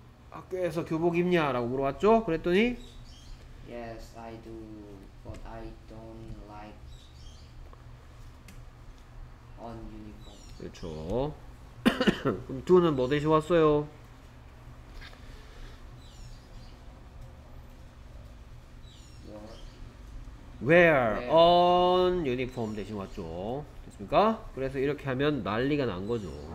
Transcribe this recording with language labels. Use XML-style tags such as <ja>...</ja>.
<ko>학교에서 교복 입냐라고 물어봤죠? 그랬더니</ko> <en>Yes, I do, but I don't like on uniform.</en> <ko>그렇죠. 그럼 두는 뭐 대신 왔어요? 네. on uniform 대신 왔죠. 됐습니까? 그래서 이렇게 하면 난리가 난 거죠.</ko>